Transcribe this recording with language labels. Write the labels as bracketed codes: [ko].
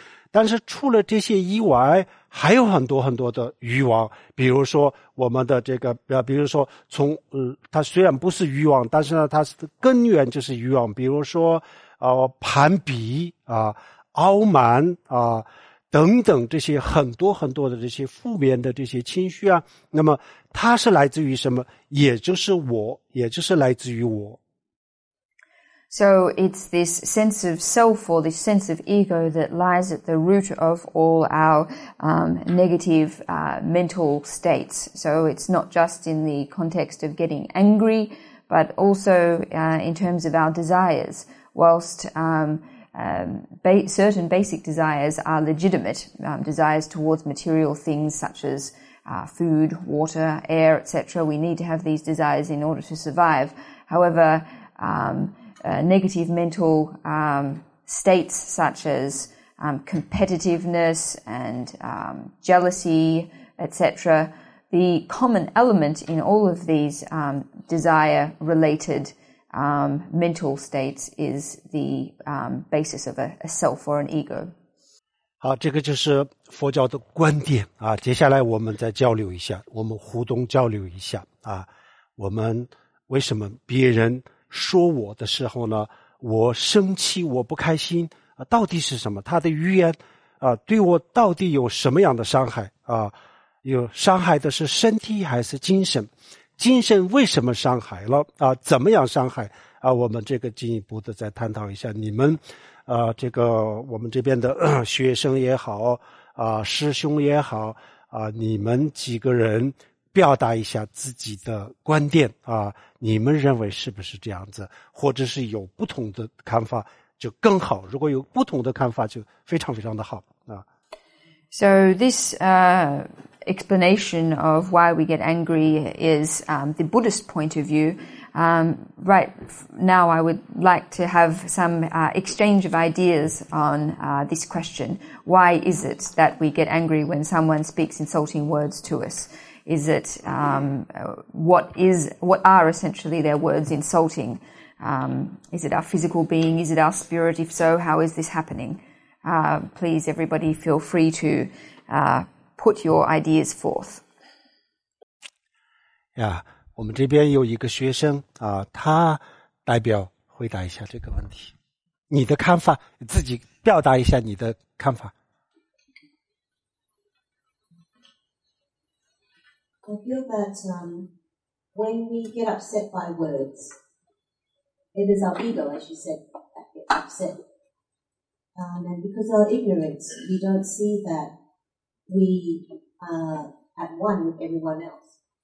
[zh] 但是除了这些以外，还有很多很多的欲望，比如说我们的这个，比如说从它虽然不是欲望，但是呢，它的根源就是欲望，比如说攀比啊，傲慢啊。等等，这些很多很多的这些负面的这些情绪啊，那么它是来自于什么？也就是我，也就是来自于我。 [en] So it's this sense of self or this sense of ego that lies at the root of all our negative mental states. So it's not just in the context of getting angry, but also in terms of our desires. Whilst certain basic desires are legitimate, desires towards material things such as food, water, air, etc. We need to have these desires in order to survive. However, negative mental states such as competitiveness and jealousy, etc., the common element in all of these desire-related mental states is the basis of a self or an ego. [zh] 好，这个就是佛教的观点啊。接下来我们再交流一下，我们互动交流一下啊。我们为什么别人说我的时候呢？我生气，我不开心啊？到底是什么？他的语言啊，对我到底有什么样的伤害啊？有伤害的是身体还是精神？精神为什么伤害了啊？怎么样伤害啊？我们这个进一步的再探讨一下。你们这个我们这边的学生也好师兄也好你们几个人表达一下自己的观点你们认为是不是这样子，或者是有不同的看法就更好，如果有不同的看法就非常非常的好啊。 [en] So this explanation of why we get angry is the Buddhist point of view. Right now, I would like to have some exchange of ideas on this question. Why is it that we get angry when someone speaks insulting words to us? Is it what are essentially their words insulting? Is it our physical being? Is it our spirit? If so, how is this happening? Please, everybody, feel free to put your ideas forth. [zh] Yeah, 我们这边有一个学生啊，他代表回答一下这个问题。你的看法，自己表达一下你的看法。 [en] I feel that when we get upset by words, it is our ego, as you said, that gets upset. And because of our ignorance, we don't see that we are at one with everyone else.